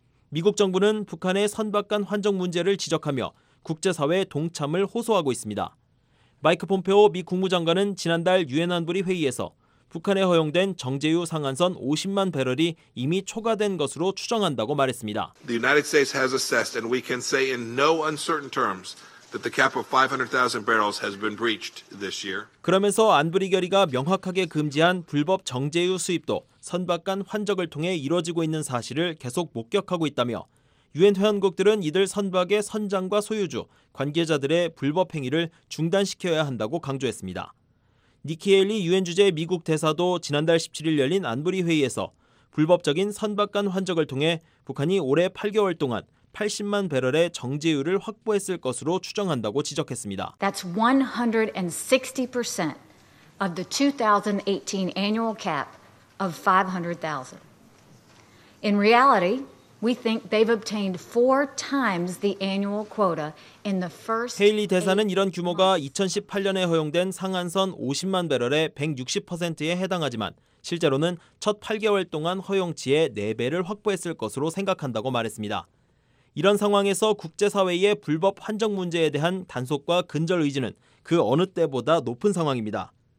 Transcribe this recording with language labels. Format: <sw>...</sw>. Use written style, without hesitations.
<ko>미국 정부는 북한의 선박 간 환적 문제를 지적하며 국제사회 동참을 호소하고 있습니다. 마이크 폼페오 미 국무장관은 지난달 유엔 안보리 회의에서 북한에 허용된 정제유 상한선 50만 배럴이 이미 초과된 것으로 추정한다고 말했습니다.</ko> <en>The United States has assessed and we can say in no uncertain terms that the cap of 500,000 barrels has been breached this year.</en> <ko>그러면서 안보리 결의가 명확하게 금지한 불법 정제유 수입도 선박 간 환적을 통해 이루어지고 있는 사실을 계속 목격하고 있다며 유엔 회원국들은 이들 선박의 선장과 소유주, 관계자들의 불법 행위를 중단시켜야 한다고 강조했습니다. 니키 헤일리 유엔 주재 미국 대사도 지난달 17일 열린 안보리 회의에서 불법적인 선박 간 환적을 통해 북한이 올해 8개월 동안 80만 배럴의 정제유를 확보했을 것으로 추정한다고 지적했습니다.</ko> <en>That's 160% of the 2018 annual cap of 500,000. In reality, we think they've obtained four times the annual quota in the first</en> <ko>헤일리 대사는 이런 규모가 2018년에 허용된 상한선 50만 배럴의 160%에 해당하지만 실제로는 첫 8개월 동안 허용치의 4배를 확보했을 것으로 생각한다고 말했습니다. 이런 상황에서 국제사회의 불법 환적 문제에 대한 단속과 근절 의지는 그 어느 때보다 높은 상황입니다.</ko>